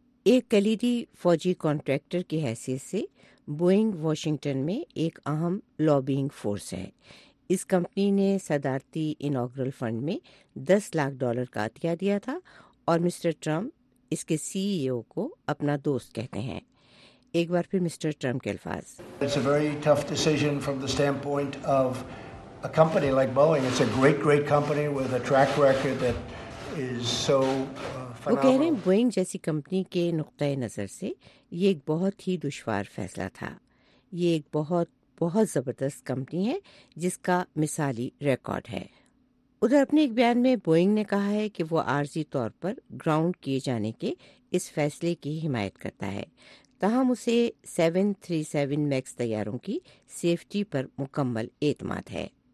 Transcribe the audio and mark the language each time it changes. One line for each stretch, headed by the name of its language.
Urdu: ایک کلیدی فوجی کانٹریکٹر کی حیثیت سے بوئنگ واشنگٹن میں ایک اہم لابینگ فورس ہے۔ اس کمپنی نے صدارتی انوگرل فنڈ میں $1,000,000 کا عطیہ دیا تھا اور مسٹر ٹرمپ اس کے سی ای او کو اپنا دوست کہتے ہیں۔ ایک بار پھر مسٹر ٹرمپ کے الفاظ،
English: It's a very tough decision from the standpoint of a company like Boeing. It's a great, great company with a track record that is so phenomenal.
Urdu: وہ کہہ رہے ہیں، بوئنگ جیسی کمپنی کے نقطہ نظر سے یہ ایک بہت ہی دشوار فیصلہ تھا۔ یہ ایک بہت بہت زبردست کمپنی ہے جس کا مثالی ریکارڈ ہے۔ ادھر اپنے ایک بیان میں بوئنگ نے کہا ہے کہ وہ عارضی طور پر گراؤنڈ کیے جانے کے اس فیصلے کی حمایت کرتا ہے، تاہم اسے 737 میکس طیاروں کی سیفٹی پر مکمل اعتماد ہے۔